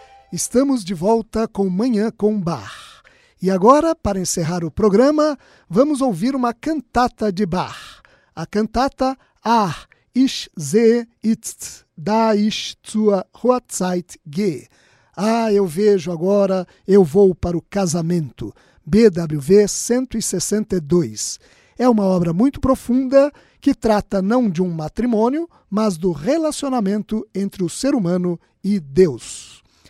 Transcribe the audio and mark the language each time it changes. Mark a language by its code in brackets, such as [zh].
[pt] Estamos de volta com Manhã com Bar. E agora, para encerrar o programa, vamos ouvir uma cantata de Bach. A cantata [de] Ah, ich sehe jetzt, da ich zur Hochzeit gehe. [pt] Ah, eu vejo agora, eu vou para o casamento. BWV 162. É uma obra muito profunda que trata não de um matrimônio, mas do relacionamento entre o ser humano e Deus.